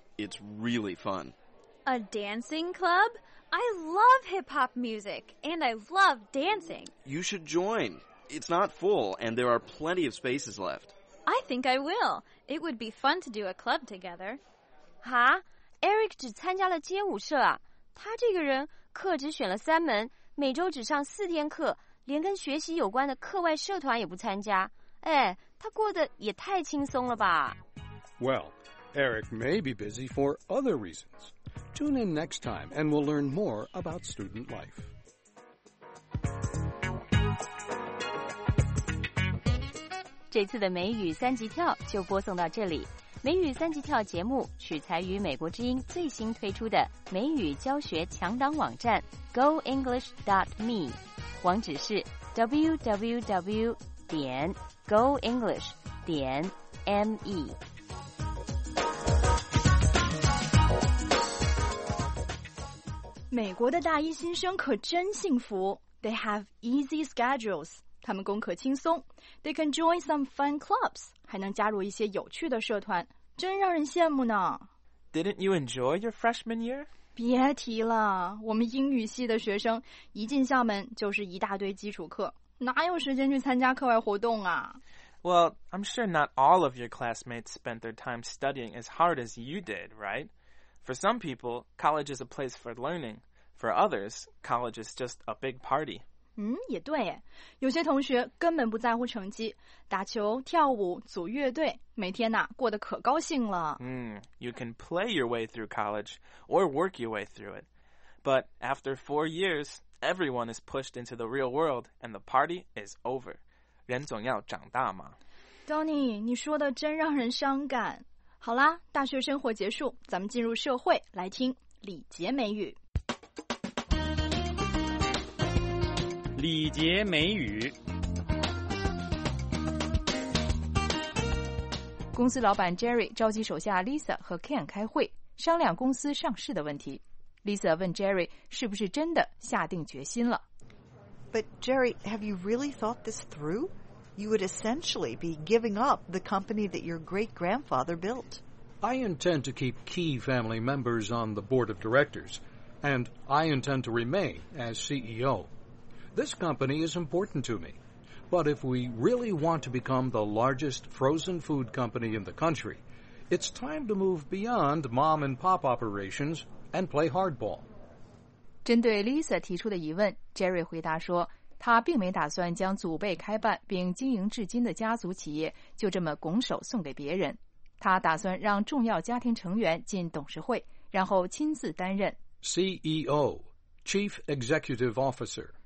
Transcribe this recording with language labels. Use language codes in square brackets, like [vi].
[en] It's really fun. A dancing club? I love hip-hop music, and I love dancing. You should join. It's not full, and there are plenty of spaces left. I think I will. It would be fun to do a club together. [zh] 哈？Eric 只参加了街舞社啊？他这个人课只选了三门，每周只上四天课，连跟学习有关的课外社团也不参加。哎，他过得也太轻松了吧。 [en] Well, Eric may be busy for other reasons. Tune in next time and we'll learn more about student life. [zh] This 次的美语三级跳就播送到这里。美语三级跳节目取材于美国之音最新推出的美语教学强档网站 goenglish.me。网址是 www.goenglish.me。美国的大一新生可真幸福 ， [en] They have easy schedules， [zh] 他们功课轻松 ， [en] They can join some fun clubs， [zh] 还能加入一些有趣的社团，真让人羡慕呢。 [en] Didn't you enjoy your freshman year？ [zh] 别提了，我们英语系的学生一进校门就是一大堆基础课，哪有时间去参加课外活动啊 [en] ？Well, I'm sure not all of your classmates spent their time studying as hard as you did, right? For some people, college is a place for learning. For others, college is just a big party. [zh] 嗯，也对，有些同学根本不在乎成绩，打球、跳舞、组乐队，每天呐、过得可高兴了。 [en] You can play your way through college or work your way through it. But after 4 years, everyone is pushed into the real world and the party is over. [zh] 人总要长大嘛。 Donny, 你说的真让人伤感。好啦，大学生活结束，咱们进入社会，来听李杰美语。李杰美语。公司老板 Jerry 召集手下 Lisa 和 Ken 开会，商量公司上市的问题。 Lisa 问 Jerry 是不是真的下定决心了。 [en] But Jerry, have you really thought this through? You would essentially be giving up the company that your great-grandfather built. I intend to keep key family members on the board of directors, and I intend to remain as CEO. This company is important to me, but if we really want to become the largest frozen food company in the country, it's time to move beyond mom-and-pop operations and play hardball. [zh] 针对 Lisa 提出的疑问 ，Jerry 回答说，他并没打算将祖辈开办并经营至今的家族企业就这么拱手送给别人。他打算让重要家庭成员进董事会，然后亲自担任 [en] CEO, Chief Executive Officer.